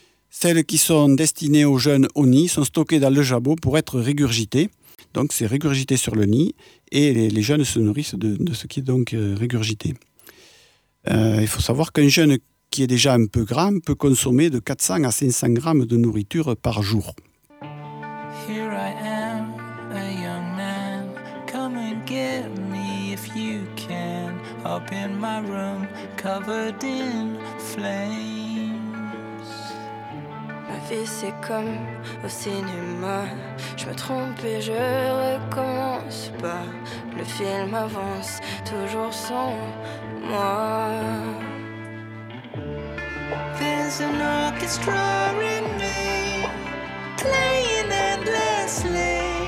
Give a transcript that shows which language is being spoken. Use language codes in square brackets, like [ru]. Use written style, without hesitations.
[fr] Celles qui sont destinées aux jeunes au nid sont stockées dans le jabot pour être régurgitées. Donc c'est régurgité sur le nid et les jeunes se nourrissent de ce qui est donc régurgité. Il faut savoir qu'un jeune qui est déjà un peu grand peut consommer de 400 à 500 grammes de nourriture par jour. [en] Here I am, a young man. Come and get me if you can. Up in my room, covered in flame. [fr] Ma vie c'est comme au cinéma. Je me trompe et je recommence pas. Le film avance toujours sans moi. [en] There's an orchestra in me, playing endlessly.